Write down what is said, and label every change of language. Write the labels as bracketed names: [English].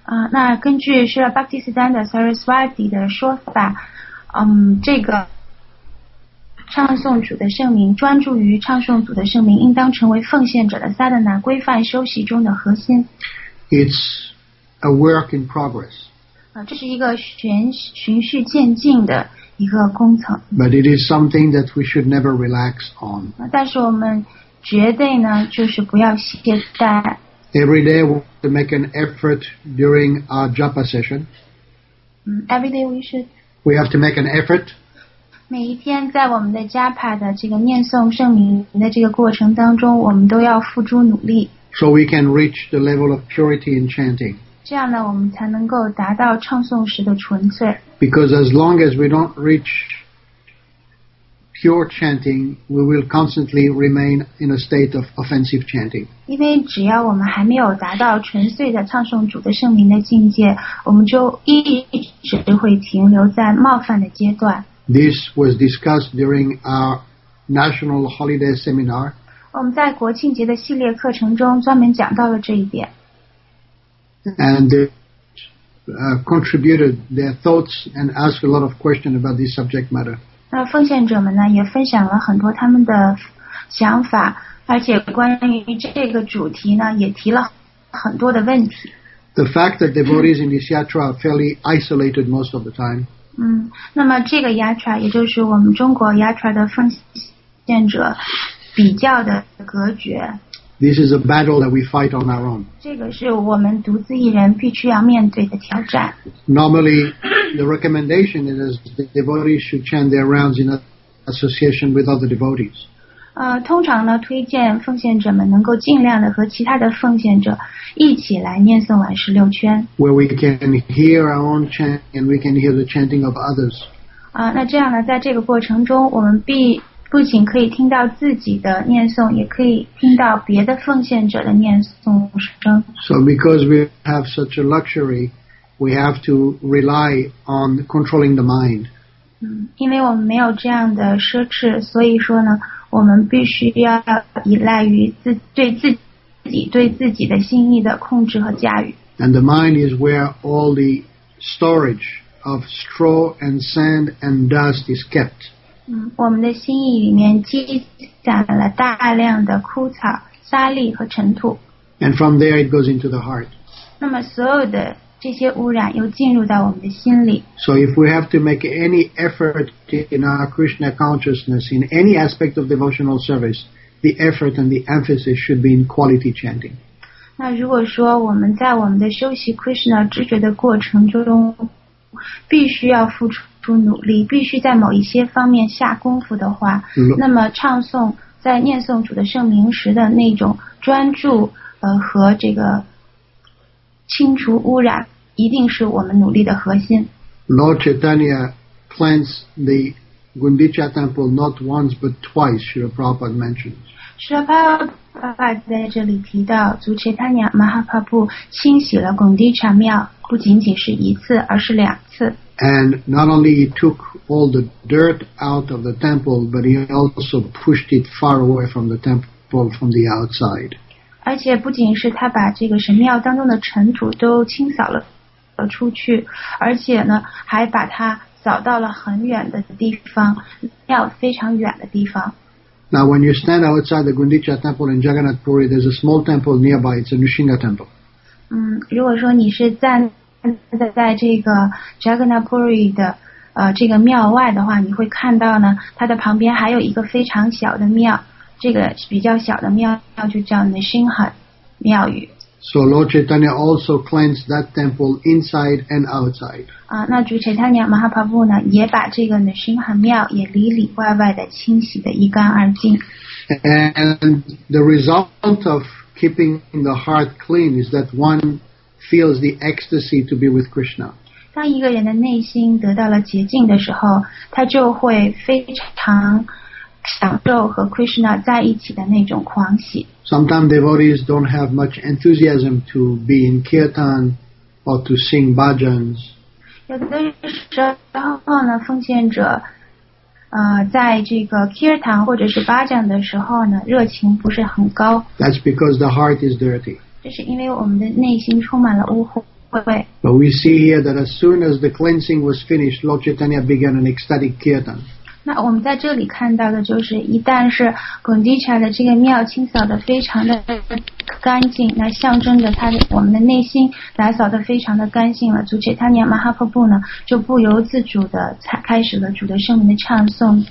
[Chinese] 那根据是 Bhakti Siddhanta Sarasvati 的说法，这个唱诵主的圣名，专注于唱诵主的圣名，应当成为奉献者的 sadhana 规范修习中的核心。 [English] It's a work in progress. [Chinese] 这是一个循序渐进的。一个工程。 [English] But it is something that we should never relax on. [Chinese] 但是我们绝对呢，就是不要懈怠。 [English] Every day we have to make an effort during our japa session. Every day we should. We have to make an effort. [Chinese] 每一天在我们的 japa 的这个念诵圣名的这个过程当中，我们都要付出努力。 [English] So we can reach the level of purity in chanting. [Chinese] 这样呢，我们才能够达到唱诵时的纯粹。 [English] Because as long as we don't reach pure chanting, we will constantly remain in a state of offensive chanting. [Chinese] 因为只要我们还没有达到纯粹的唱诵主的圣名的境界，我们就一直会停留在冒犯的阶段。 [English] This was discussed during our national holiday seminar. [Chinese] 我们在国庆节的系列课程中专门讲到了这一点。 [English] And contributed their thoughts and asked a lot of questions about this subject matter. [Chinese] 那奉献者们呢，也分享了很多他们的想法，而且关于这个主题呢，也提了很多的问题。 [English] The fact that devotees in this yatra are fairly isolated most of the time. [Chinese] 那么这个 yatra 也就是我们中国 yatra 的奉献者比较的隔绝。 [English] This is a battle that we fight on our own. [Chinese] 这个是我们独自一人必须要面对的挑战。 [English] Normally, the recommendation is that devotees should chant their rounds in association with other devotees. [Chinese] 通常呢，推荐奉献者们能够尽量的和其他的奉献者一起来念诵完十六圈。 [English] Where we can hear our own chant and we can hear the chanting of others. [Chinese] 那这样呢，在这个过程中，我们不仅可以听到自己的念诵，也可以听到别的奉献者的念诵声。 [English] So because we have such a luxury, we have to rely on controlling the mind. [Chinese] 因为我们没有这样的奢侈，所以说呢，我们必须要依赖于对自己的心意的控制和驾驭。 [English] And the mind is where all the storage of straw and sand and dust is kept. [Chinese] 我们的心意里面积攒了大量的枯草、沙粒和尘土。 [English] And from there it goes into the heart. [Chinese] 那么所有的这些污染又进入到我们的心里。 [English] So if we have to make any effort in our Krishna consciousness, in any aspect of devotional service, the effort and the emphasis should be in quality chanting. [Chinese] 那如果说我们在我们的修习 Krishna 知觉的过程中必须要付出努力必须在某一些方面下功夫的话那么唱诵在念诵主的圣名时的那种专注和这个清除污染一定是我们努力的核心 [English] Lord Chaitanya cleansed the Gundicha temple not once but twice Srila Prabhupada mentioned [Chinese] Srila Prabhupada 在这里提到祖 Chaitanya Mahaprabhu 清洗了 Gundicha 庙不仅仅是一次而是两次 [English] And not only he took all the dirt out of the temple but he also pushed it far away from the temple from the outside [Chinese] 而且不仅是他把这个神庙当中的尘土都清扫了出去而且呢还把它扫到了很远的地方庙非常远的地方 [English] Now when you stand outside the Gundicha temple in Jagannath Puri there's a small temple nearby it's a Nrisinga temple [Chinese] 如果说你是在这个 Jagannath Puri 的这个庙外的话你会看到呢它的旁边还有一个非常小的庙这个比较小的庙就叫 Nrisinga 庙宇 [English] So Lord Chaitanya also cleansed that temple inside and outside [Chinese] 那主 Chaitanya Mahaprabhu 呢也把这个 Nrisinga 庙也里里外外的清洗得一干二净 [English] And the result of keeping the heart clean is that one feels the ecstasy to be with Krishna [Chinese] 当一个人的内心得到了洁净的时候他就会非常享受和 Krishna 在一起的那种狂喜 [English] Sometimes devotees don't have much enthusiasm to be in kirtan or to sing bhajans [Chinese] 有的时候呢奉献者在这个 kirtan 或者是 bhajan 的时候呢热情不是很高 [English] That's because the heart is dirty [Chinese] 这是因为我们的内心充满了污秽 [English] But we see here that as soon as the cleansing was finished Lord Chaitanya began an ecstatic kirtan [Chinese] 那我们在这里看到的就是一旦是 Gundicha 的这个庙清扫得非常的干净那象征着他的我们的内心打扫得非常的干净了祖 Chaitanya Mahaprabhu 呢就不由自主的开始了主的圣名的唱诵